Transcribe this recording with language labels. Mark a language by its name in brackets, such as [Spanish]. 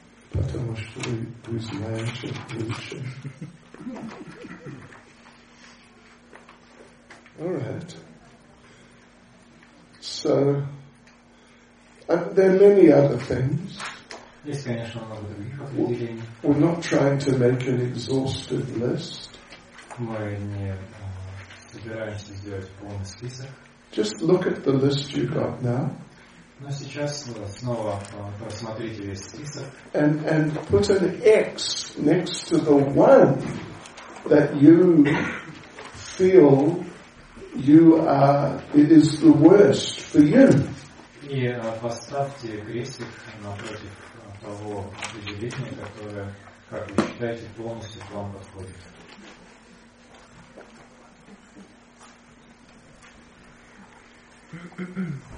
[Russian] Потому что вы знаете лучше. [English] All right. So, there are many other things. [Russian] Есть, конечно, много других определений. [English] We're not trying to make an exhaustive list. [Russian] Мы не собираемся сделать полный список. [English] Just look at the list you got now. [Russian] Но сейчас снова просмотрите весь список. [English] And put an X next to the one that you feel you are. It is the worst for you. [Russian] И поставьте крестик напротив того определения, которое, как вы считаете, полностью к вам подходит.